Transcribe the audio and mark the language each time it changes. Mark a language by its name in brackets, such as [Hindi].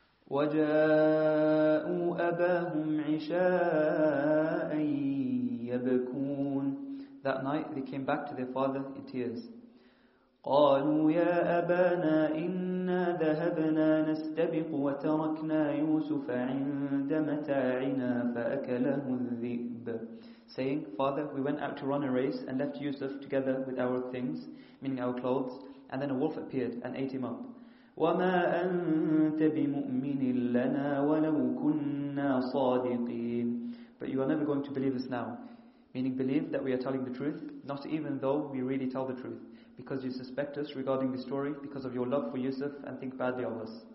[Arabic] وجاءوا أباهم عشاء يبكون. [English] That night they came back to their father in tears. [Arabic] قالوا يا أبانا إنا ذهبنا نستبق وتركنا يوسف عند متاعنا فأكله الذئب. [English] Saying, Father, we went out to run a race and left Yusuf together with our things, meaning our clothes, and then a wolf appeared and ate him up. [Arabic] وَمَا أَنْتَ بِمُؤْمِنٍ لَنَا وَلَوْ كُنَّا صَادِقِينَ. [English] But you are never going to believe us now, meaning believe that we are telling the truth, not even though we really tell the truth, because you suspect us regarding the story because of your love for Yusuf and think badly of us.